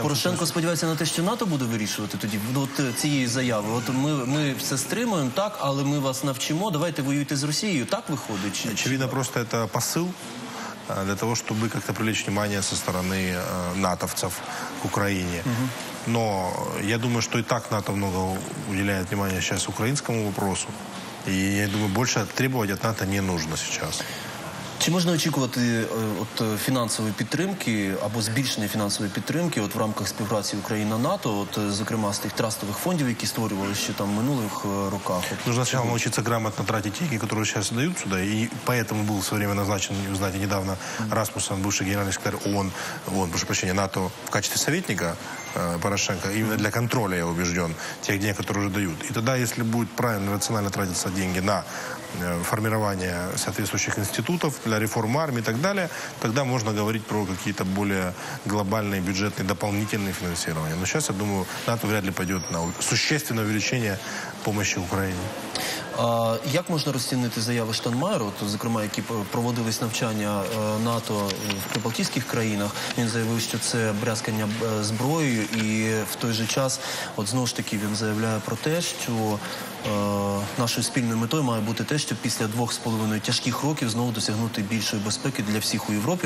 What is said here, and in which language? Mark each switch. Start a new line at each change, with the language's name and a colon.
Ukrainian: А Порошенко сподівається на те, що НАТО буде вирішувати тоді? От цієї заяви. От ми все стримуємо, так, але ми вас навчимо, давайте воюйте з Росією. Так виходить? Очевидно, просто це посил для того, щоб якось привлечь увагу зі сторони натовців в Україні.
Russian: Но я думаю, что и так НАТО много уделяет внимания сейчас украинскому вопросу. И я думаю, больше требовать от НАТО не нужно сейчас.
Ukrainian: Чи можна очікувати от фінансової підтримки або збільшення фінансової підтримки от в рамках співпраці Україна-НАТО, от зокрема з тих трастових фондів, які створювали ще там минулих роках?
Russian: Нужно сначала научиться грамотно тратить деньги, которые сейчас дают сюда, и поэтому был в своё время назначен, вы знаете, недавно Расмуссен, бывший генеральный секретарь ООН, прошу прощения, НАТО в качестве советника Порошенко, именно для контроля, я убежден, тех денег, которые уже дают. И тогда, если будет правильно, рационально тратиться деньги на формирование соответствующих институтов для реформ армии и так далее, тогда можно говорить про какие-то более глобальные бюджетные дополнительные финансирования. Но сейчас, я думаю, НАТО вряд ли пойдет на существенное увеличение помощи Украине.
Ukrainian: Як можна розцінити заяви Штайнмайера, зокрема, які проводились навчання НАТО в прибалтійських країнах? Він заявив, що це брязкання зброєю, і в той же час, от знову ж таки, він заявляє про те, що нашою спільною метою має бути те, щоб після 2,5 тяжких років знову досягнути більшої безпеки для всіх у Європі.